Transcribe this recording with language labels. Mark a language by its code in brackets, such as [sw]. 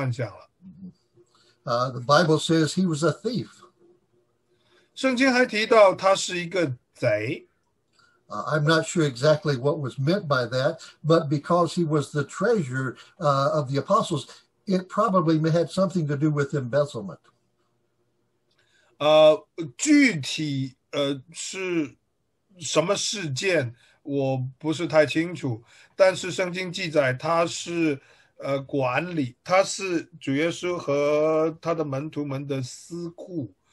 [zh] 当耶稣并没有达到他的这个期望的时候，他就不抱任何幻想了。 [en] The Bible says he was a thief. [zh] 圣经还提到他是一个贼。 [en] I'm not sure exactly what was meant by that, but because he was the treasure of the apostles, it probably had something to do with embezzlement. [zh] 具体是什么事件我不是太清楚，但是圣经记载他是管理，他是主耶稣和他的门徒们的司库。